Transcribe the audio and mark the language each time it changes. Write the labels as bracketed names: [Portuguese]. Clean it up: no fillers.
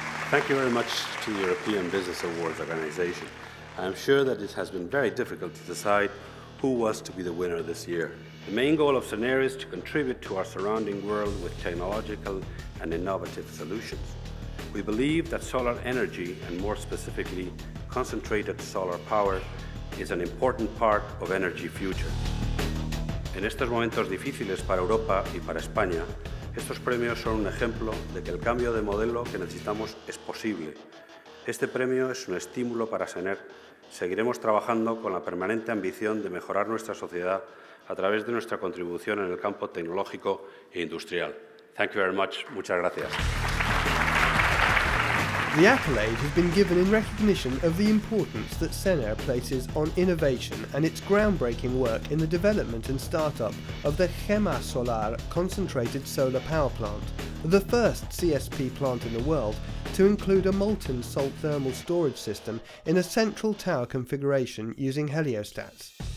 [English] Thank you very much to the European Business Awards Organization. I'm sure that it has been very difficult to decide who was to be the winner this year. The main goal of Sener is to contribute to our surrounding world with technological and innovative solutions. We believe that solar energy, and more specifically, concentrated solar power, is an important part of energy future. [Spanish] En estos momentos difíciles para Europa y para España, estos premios son un ejemplo de que el cambio de modelo que necesitamos es posible. Este premio es un estímulo para Sener. Seguiremos trabajando con la permanente ambición de mejorar nuestra sociedad a través de nuestra contribución en el campo tecnológico e industrial. [English] Thank you very much. [Spanish] Muchas gracias. [English] The accolade has been given in recognition of the importance that Sener places on innovation and its groundbreaking work in the development and startup of the Gemasolar concentrated solar power plant, the first CSP plant in the world to include a molten salt thermal storage system in a central tower configuration using heliostats.